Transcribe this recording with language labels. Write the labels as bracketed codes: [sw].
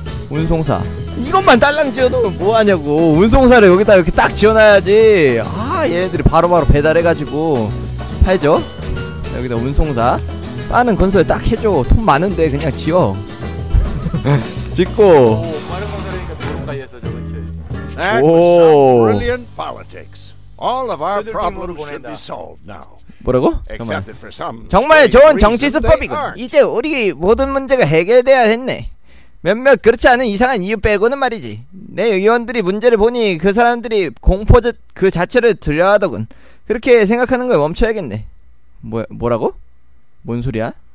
[ko] 운송사 이것만 딸랑 지어놓으면 뭐하냐고. 운송사를 여기다 이렇게 딱 지어놔야지. 아 얘네들이 바로 배달해가지고 팔죠. 여기다 운송사 빠른 건설 딱 해줘. 돈 많은데 그냥 지어. 짓고. 빠른 건설이니까 돈까지 했어. 저거 지어야지. [en] Brilliant politics. All of our problems should be solved now. [ko] 뭐라고? 정말 좋은 정치 수법이군. 이제 우리 모든 문제가 해결돼야 했네. 몇몇 그렇지 않은 이상한 이유 빼고는 말이지. 내 의원들이 문제를 보니 그 사람들이 공포 그 자체를 두려워하더군. 그렇게 생각하는 걸 멈춰야겠네. 뭐라고? 뭔 소리야?